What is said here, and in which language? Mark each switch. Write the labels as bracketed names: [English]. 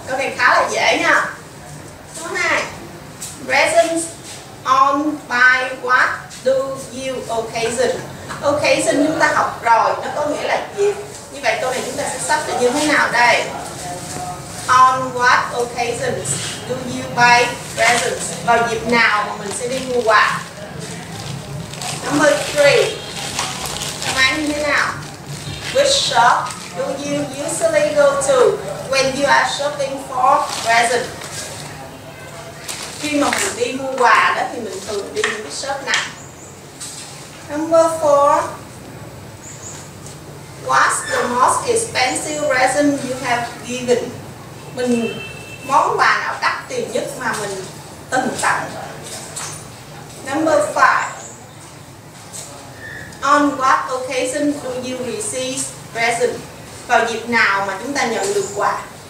[Vietnamese] Câu này khá là dễ nha. Số 2. [English] Presents, on, by, what, do, you, occasion. [Vietnamese] OK, xin chúng ta học rồi, nó có nghĩa là gì? Như vậy câu này chúng ta sẽ sắp được như thế nào đây? [English] On what occasions do you buy presents? [Vietnamese] Vào dịp nào mà mình sẽ đi mua quà? [English] Number 3. [Vietnamese] Đáp án như thế nào? [English] Which shop do you usually go to when you are shopping for presents? [Vietnamese] Khi mà mình đi mua quà đó thì mình thường đi những cái shop nào? [English] Number 4. What's the most expensive present you have given? [Vietnamese] Mình món quà nào đắt tiền nhất mà mình từng tặng? [English] Number 5. On what occasion do you receive present? [Vietnamese] Vào dịp nào mà chúng ta nhận được quà?